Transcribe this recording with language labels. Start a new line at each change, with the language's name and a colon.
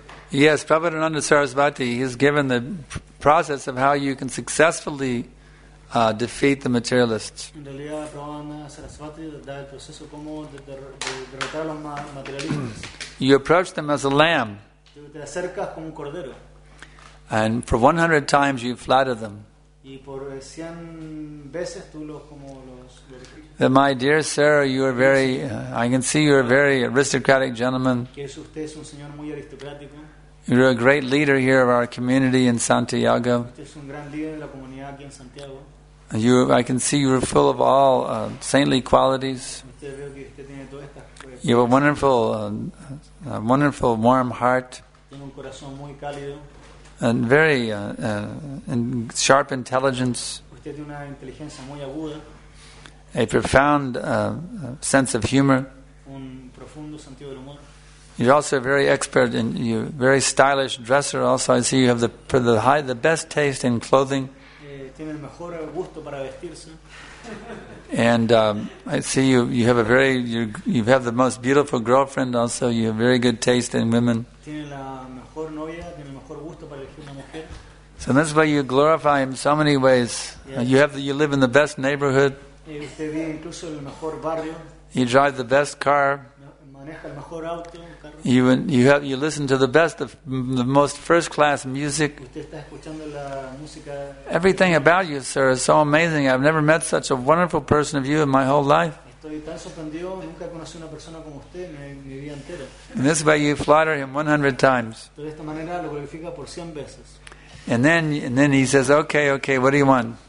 English: Yes, Prabhupada Sarasvati, he's given the process of how you can successfully defeat the materialists.
Spanish: En realidad, Prabhupada Sarasvati da el proceso como derrotar a los materialistas.
English: You approach them as a lamb.
Spanish: Te acercas como un cordero.
English: And for 100 times you flatter them.
Spanish: Y por 100 veces tú los como los.
English: My dear sir, you are very. I can see you are a very aristocratic gentleman.
Spanish: Usted es un señor muy aristocrático.
English: You're a great leader here of our community in Santiago.
Spanish: Usted es un gran líder de la comunidad aquí en Santiago.
English: You, I can see you are full of all saintly qualities.
Spanish: Usted veo que usted tiene todas estas cosas.
English: You have a wonderful warm heart.
Spanish: Tiene un corazón muy cálido.
English: And very and sharp intelligence.
Spanish: Usted tiene una inteligencia muy aguda.
English: A profound sense of humor.
Spanish: Un profundo sentido del humor.
English: You're also very expert in you, very stylish dresser. Also, I see you have the best taste in clothing.
Spanish: Tiene el mejor gusto para vestirse.
English: And I see you have a very you have the most beautiful girlfriend. Also, you have very good taste in women.
Spanish: Tiene la mejor novia, tiene el mejor gusto para elegir una mujer.
English: So that's why you glorify him so many ways. Yes. You live in the best neighborhood.
Spanish: Usted vive incluso en el mejor barrio.
English: You drive the best car.
Spanish: Maneja el mejor auto, carro.
English: You listen to the best, the most first class music.
Spanish: Usted está escuchando la música.
English: Everything about you, sir, is so amazing. I've never met such a wonderful person of you in my whole life.
Spanish: Estoy tan sorprendido. Nunca conocí una persona como usted en mi vida entera.
English: In this way, you flatter him 100 times.
Spanish: De esta manera lo glorifica por 100 veces.
English: And then he says, okay, what do you want?